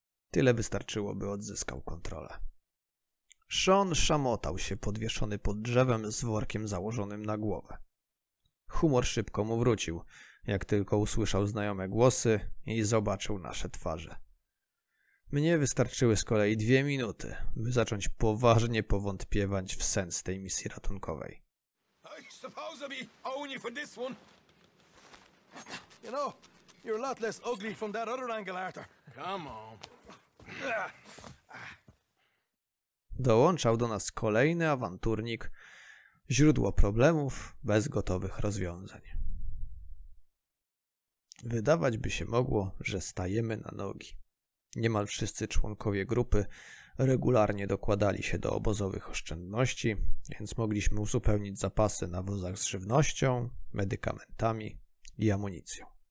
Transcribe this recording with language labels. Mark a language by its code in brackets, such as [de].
[pl] Tyle wystarczyło, by odzyskał kontrolę. Sean szamotał się podwieszony pod drzewem z workiem założonym na głowę. Humor szybko mu wrócił, jak tylko usłyszał znajome głosy i zobaczył nasze twarze. Mnie wystarczyły z kolei 2 minuty, by zacząć poważnie powątpiewać w sens tej misji ratunkowej. [en] Supposed to be owing you for this one. You know, you're a lot less ugly from that other angle, Arthur. Come on. [pl] Dołączał do nas kolejny awanturnik, źródło problemów bez gotowych rozwiązań. Wydawać by się mogło, że stajemy na nogi. Niemal wszyscy członkowie grupy regularnie dokładali się do obozowych oszczędności, więc mogliśmy uzupełnić zapasy na wozach z żywnością, medykamentami i amunicją.